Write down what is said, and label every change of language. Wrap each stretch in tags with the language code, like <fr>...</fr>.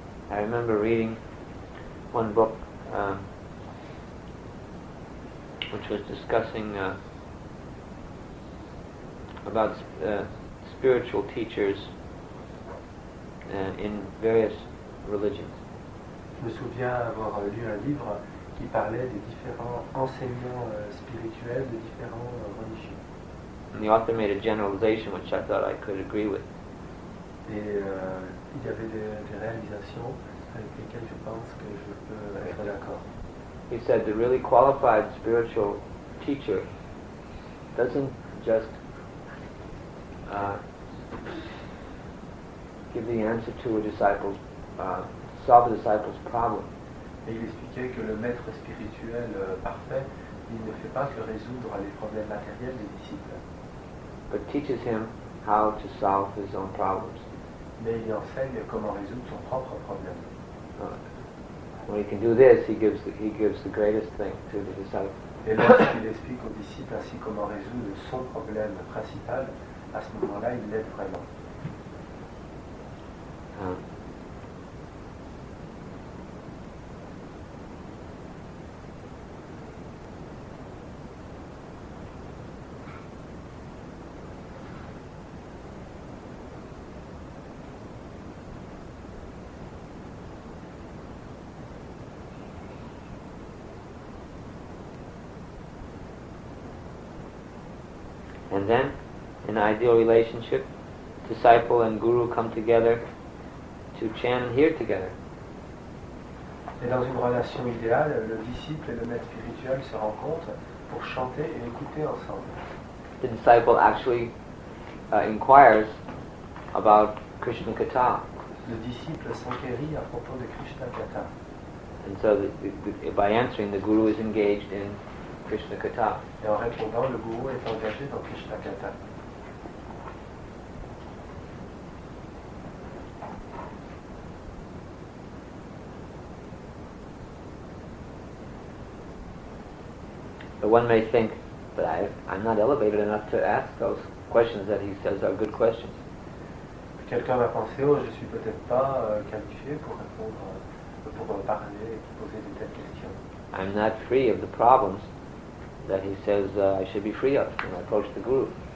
<en>I remember reading one book which was discussing about spiritual teachers in various religions.</en> <fr>Je me souviens avoir lu un livre qui parlait des différents enseignements spirituels de différents religions.</fr> <en>And the author made a generalization which I thought I could agree with.</en> <fr>Et il y avait des réalisations avec lesquelles je pense que je peux être d'accord.</fr> <en>He said the really qualified spiritual teacher doesn't just give the answer to a disciple's solve a disciple's problem.</en> <fr>Et il expliquait que le maître spirituel parfait, il ne fait pas que résoudre les problèmes matériels des disciples.</fr> <en>But teaches him how to solve his own problems.</en> <fr>Mais il enseigne comment résoudre son propre problème.</fr> <en>When he can do this, he gives the greatest thing to the disciple.</en> <fr>Et lorsqu'il explique au disciple ainsi comment résoudre son problème principal, à ce moment-là, il l'aide vraiment.</fr> <en>And then, in an ideal relationship, disciple and guru come together to chant and hear together.</en> <fr>Et dans une relation idéale, le disciple et le maître spirituel se rencontrent pour chanter et écouter ensemble.</fr> <en>The disciple actually inquires about Krishna Katha.</en> <fr>Le disciple s'inquiérit à propos de Krishna Katha.</fr> <en>And so, by answering, the guru is engaged in Krishna Katha.</en> <fr>Et en répondant, le guru est engagé dans Krishna Katha.</fr> <en>But one may think that I'm not elevated enough to ask those questions that he says are good questions.</en> <fr>Quelqu'un va penser, oh, je suis peut-être pas qualifié pour répondre, pour parler et poser de telles questions.</fr> <en>I'm not free of the problems that he says I should be free of when I approach the guru.</en>